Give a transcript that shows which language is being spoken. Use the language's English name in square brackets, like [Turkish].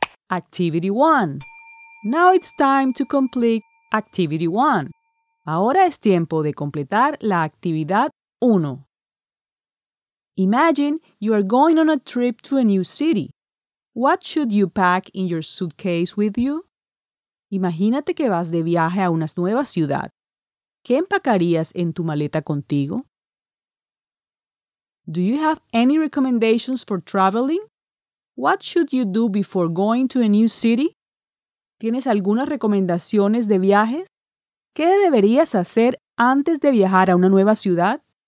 [English] Activity 1. Now it's time to complete Activity 1. [Spanish] Ahora es tiempo de completar la actividad 1. [English] Imagine you are going on a trip to a new city. What should you pack in your suitcase with you? [Spanish] Imagínate que vas de viaje a una nueva ciudad. ¿Qué empacarías en tu maleta contigo? [English] Do you have any recommendations for traveling? What should you do before going to a new city? [Spanish] ¿Tienes algunas recomendaciones de viajes? ¿Qué deberías hacer antes de viajar a una nueva ciudad?